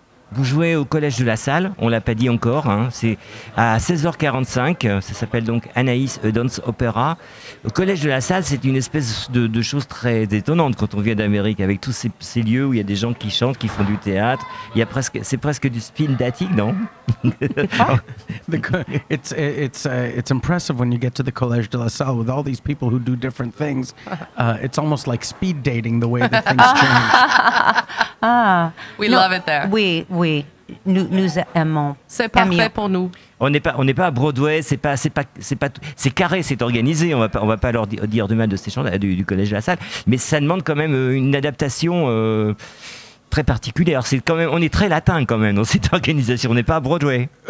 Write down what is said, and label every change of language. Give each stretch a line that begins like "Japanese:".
French: Vous jouez au Collège de la Salle, on ne l'a pas dit encore, hein. C'est à 16h45, ça s'appelle donc Anaïs A Dance Opera. Au Collège de la Salle, c'est une espèce de chose très étonnante quand on vient d'Amérique, avec tous ces lieux où il y a des gens qui chantent, qui font du théâtre. C'est presque du spin d'attique, non?
English: It's impressive when you get to the Collège de la Salle with all these people who do different things. It's almost like speed dating the way that things change. We love it there.
French: Oui, nous aimons. C'est parfait pour nous. On n'est pas à Broadway, c'est carré, c'est organisé. On va pas leur dire du mal de ces chants du Collège de la Salle, mais ça demande quand même une adaptation très particulière. C'est quand même, on est très latin quand même dans cette organisation. On n'est pas à Broadway.